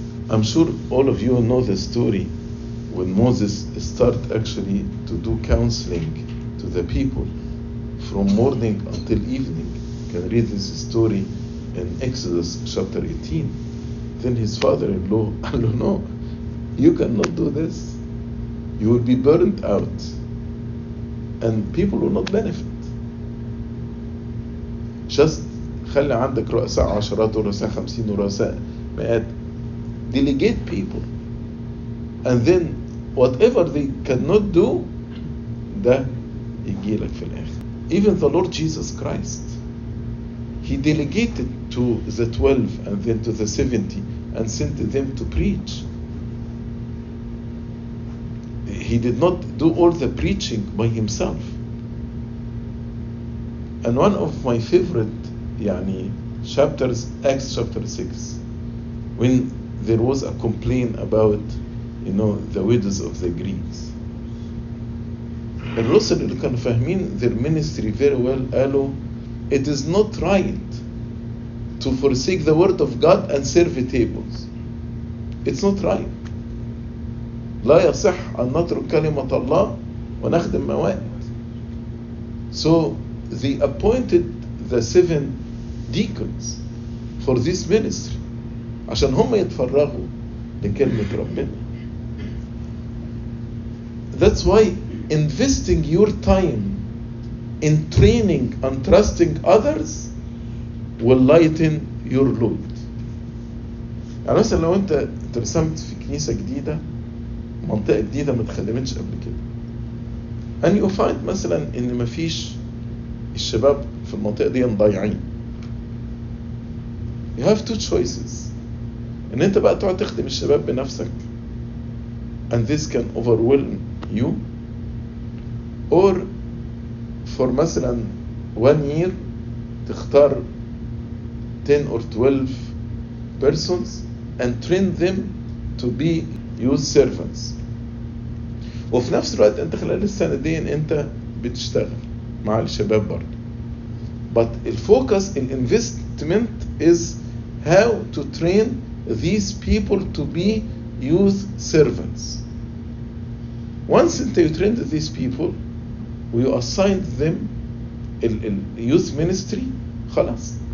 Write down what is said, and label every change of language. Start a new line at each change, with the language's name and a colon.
English: I'm sure all of you know the story when Moses start actually to do counseling to the people from morning until evening. You can read this story in Exodus chapter 18. Then his father-in-law, no, you cannot do this. You will be burnt out and people will not benefit.
Arabic: Just خلي عندك رؤساء عشرات ورؤساء خمسين ورؤساء مئات.
English: Delegate people. And then whatever they cannot do,
Arabic: ده يجي لك في الآخر.
English: Even the Lord Jesus Christ, he delegated to the 12 and then to the 70 and sent them to preach. He did not do all the preaching by himself. And one of my favorite chapters, Acts chapter 6, when there was a complaint about the widows of the Greeks, and Rusul
Arabic: اللي كانوا فاهمين
English: their ministry very well قالوا, it is not right to forsake the word of God and serve tables. It's not right.
Arabic: لا يصح أن نترك كلمة الله ونخدم مواد.
English: So they appointed the seven deacons for this ministry
Arabic: عشان هم يتفرغوا لكلمة ربنا.
English: That's why investing your time in training and trusting others will lighten your load.
Arabic: يعني مثلا لو انت ترسمت في كنيسة جديدة منطقة جديدة ما تخدمتش قبل كده,
English: and you find
Arabic: مثلا ان مفيش الشباب في المنطقة دي مضيعين,
English: you have two choices.
Arabic: ان انت بقى تقعد تخدم الشباب بنفسك
English: and this can overwhelm you, or for مثلا one year تختار 10 or 12 persons and train them to be youth servants.
Arabic: وفي نفس الوقت انت خلال السنتين انت بتشتغل مع الشباب برضو.
English: But the focus in investment is how to train these people to be youth servants. Once you train these people, we assign them the youth ministry, خلاص.